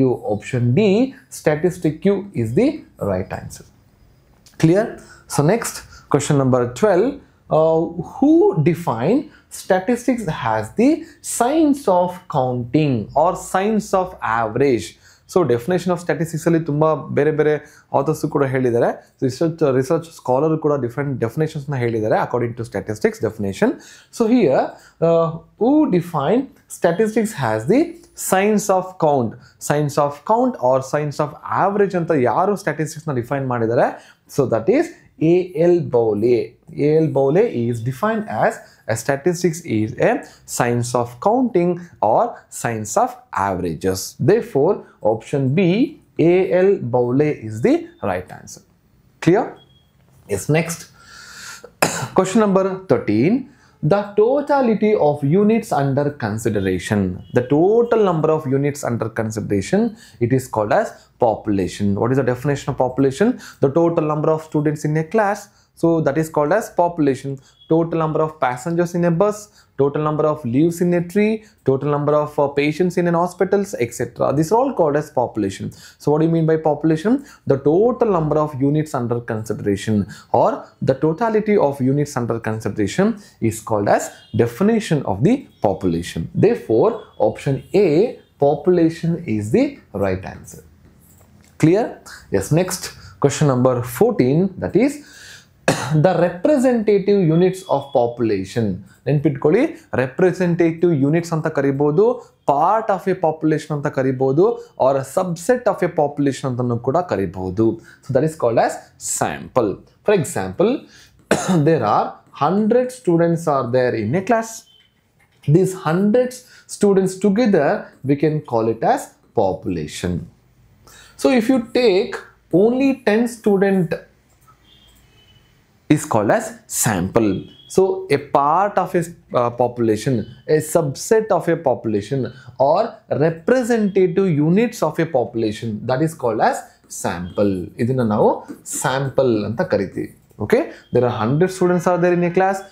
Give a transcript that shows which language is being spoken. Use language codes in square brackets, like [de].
[en] Option D, statistique is the right answer. Clear? So next, question number 12. Who define statistics as the science of counting or science of average? So definition of statistics [kn] ಅಲ್ಲಿ ತುಂಬಾ ಬೇರೆ ಬೇರೆ [en] authors [kn] ಕೂಡ ಹೇಳಿದ್ದಾರೆ, [en] research scholar ಕೂಡ different definitions [kn] ನ ಹೇಳಿದ್ದಾರೆ [en] According to statistics definition. So here who define statistics has the science of count, science of count or science of average [kn] ಅಂತ ಯಾರು [en] statistics ನ define [kn] ಮಾಡಿದ್ದಾರೆ? [en] So that is A L Bowley is defined as a statistics is a science of counting or science of averages. Therefore option B A L Bowley is the right answer. Clear? Yes. Next question number 13. The totality of units under consideration, the total number of units under consideration, it is called as population. What is the definition of population? The total number of students in a class, so that is called as population. Total number of passengers in a bus, total number of leaves in a tree, total number of patients in an hospitals, etc. These are all called as population. So what do you mean by population? The total number of units under consideration, or the totality of units under consideration, is called as definition of the population. Therefore, option A, population, is the right answer. Clear? Yes. Next, question number 14, that is the representative units of population. [kn] ನೆನ್ಪಿಟ್ಕೊಳ್ಳಿ, [en] representative units [kn] ಅಂತ ಕರಿಬಹುದು, [en] part of a population ಅಂತ ಕರಿಬಹುದು, or subset of a population [kn] ಅಂತಾನು ಕೂಡ ಕರಿಬಹುದು. [en] So that is called as sample. For example, there are 100 students are there in a class. These 100 students together we can call it as population. So if you take only 10 student is called as sample. So a part of a population, a subset of a population, or representative units of a population, that is called as sample. [kn] Idina navu sample anta kariti. [en] Okay, there are 100 students are there in a class.